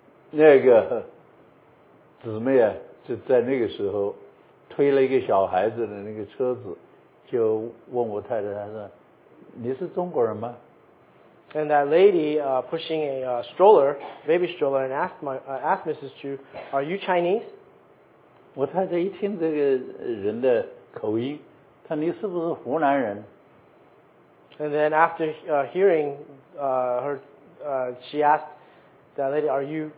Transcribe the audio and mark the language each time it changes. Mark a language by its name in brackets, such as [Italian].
[Chinese] 那个姊妹啊，就在那个时候。推了一个小孩子的那个车子，就问我太太，她说：“你是中国人吗？” [English] And that lady pushing a stroller, baby stroller, and asked Mrs. Chu, "Are you Chinese?" [Chinese] 我太太一听这个人的口音，她说：“你是不是湖南人？” [English] And then after hearing her, she asked that lady, "Are you?"